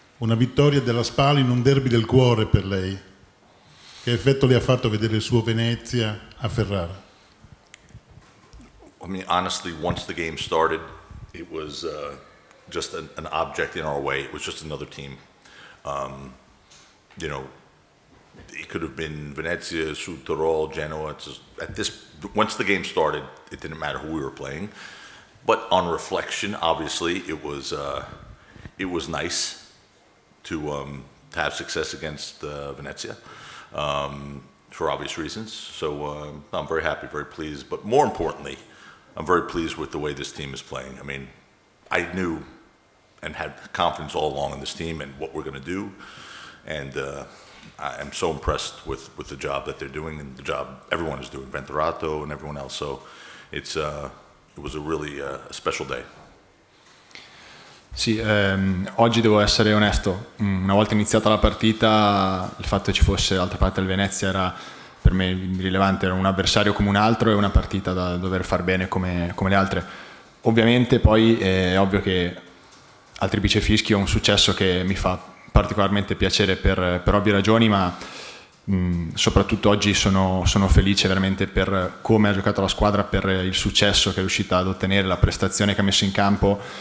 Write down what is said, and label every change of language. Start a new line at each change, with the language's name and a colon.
Italian: Una vittoria della Spal in un derby del cuore per lei. Che effetto le ha fatto vedere il suo Venezia a Ferrara?
English: I mean, honestly, once the game started, it was just an object in our way. It was just another team. You know, it could have been Venezia, Sudtirol, Genoa. It's just, at this, once the game started, it didn't matter who we were playing. But on reflection, obviously, it was nice to have success against Venezia for obvious reasons. So I'm very happy, very pleased. But more importantly, I'm very pleased with the way this team is playing. I mean, I knew and had confidence all along in this team and what we're going to do. And I am so impressed with the job that they're doing and the job everyone is doing, Venturato and everyone else. So it's it was a really a special day.
Italian: Sì, oggi devo essere onesto. Una volta iniziata la partita, il fatto che ci fosse l'altra parte del Venezia era per me rilevante, era un avversario come un altro e una partita da dover far bene come le altre. Ovviamente poi è ovvio che al triplice fischio è un successo che mi fa particolarmente piacere per ovvie ragioni, ma soprattutto oggi sono felice veramente per come ha giocato la squadra, per il successo che è riuscita ad ottenere, la prestazione che ha messo in campo.